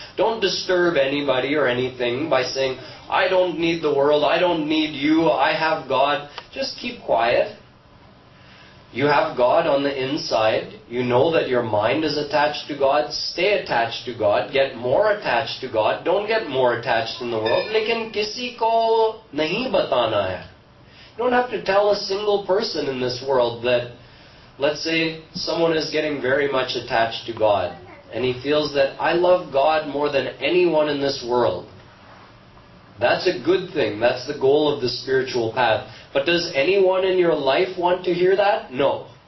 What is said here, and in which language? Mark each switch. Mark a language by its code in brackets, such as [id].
[en] Don't disturb anybody or anything by saying, I don't need the world, I don't need you, I have God. Just keep quiet. You have God on the inside. You know that your mind is attached to God. Stay attached to God. Get more attached to God. Don't get more attached in the world. [hi] लेकिन किसी को नहीं बताना है। [en] You don't have to tell a single person in this world that, let's say, someone is getting very much attached to God, and he feels that, I love God more than anyone in this world. That's a good thing. That's the goal of the spiritual path. But does anyone in your life want to hear that? No.